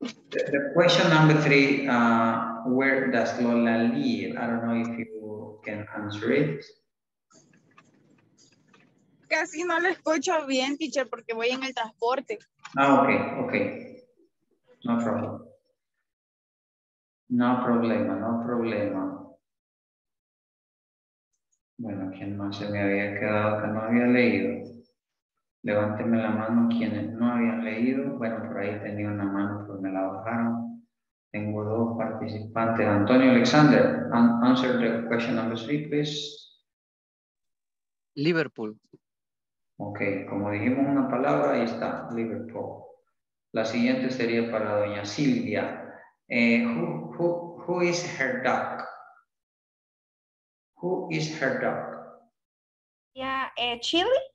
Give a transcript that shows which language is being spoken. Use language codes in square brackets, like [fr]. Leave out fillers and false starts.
[en] The question number three, where does Lola live? I don't know if you can answer it. [es] Casi no lo escucho bien, teacher, porque voy en el transporte. [en] Ah, okay. [es] No problema. Bueno, ¿quién más se me había quedado que no había leído? Levánteme la mano quienes no habían leído. Bueno, por ahí tenía una mano, pero me la bajaron. Tengo dos participantes. [en] Antonio Alexander, answer the question number three, please. Liverpool. [es] Ok, como dijimos una palabra, ahí está, Liverpool. La siguiente sería para doña Silvia. [en] Who is her dog? Who is her dog? Yeah, Chili.